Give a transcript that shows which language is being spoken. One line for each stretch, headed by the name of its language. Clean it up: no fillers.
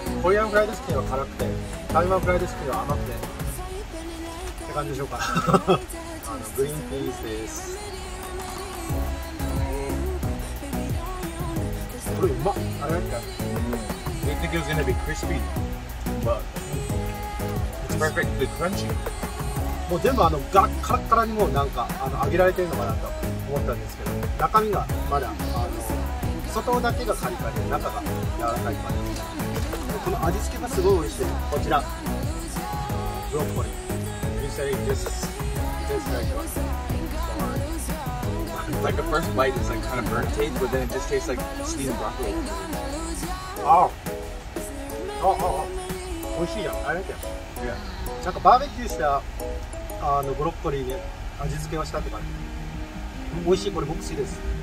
Japanese: コリアンフライドチキンは辛くて、台湾フライドチキンは甘くてって感じでしょうか。あのグリーンピースです。これうまっ。あれなんだ、
English: I think it was going to be crispy, but it's perfectly crunchy.
Japanese: もう全部あのガッカラッカラにもうなんかあの揚げられてるのかなと思ったんですけど、中身がまだあの外だけがカリカリで中が柔らかい感じ。この味付けがすごい美味しい。こちらブロッコリー。
English: You say this is this like a like the first bite is like kind of burnt taste, but then it just tastes like steamed broccoli. Oh.
Japanese: ああ、ああ、美味しいやん、あれだけやん。なんかバーベキューしたあのブロッコリーで味付けをしたって感じ。美味しい、これ僕好きです。